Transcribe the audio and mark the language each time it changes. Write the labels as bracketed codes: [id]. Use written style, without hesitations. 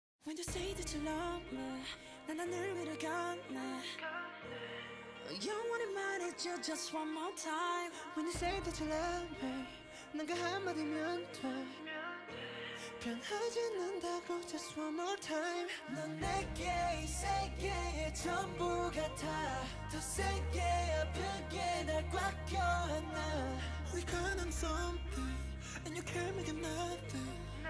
[en] When you say that you love me, [ko] 난 하늘 위를 걷네. 영원히 말해줘 [en] just one more time. When you say that you love me, [ko] 난 그 한마디면 돼. 변하지 않는다고 [en] just one more time. [ko] 넌 내게 이 세계의 전부 같아. 더 세게 아프게 날 꽉 껴안아. [en] We can do something and you can make it nothing.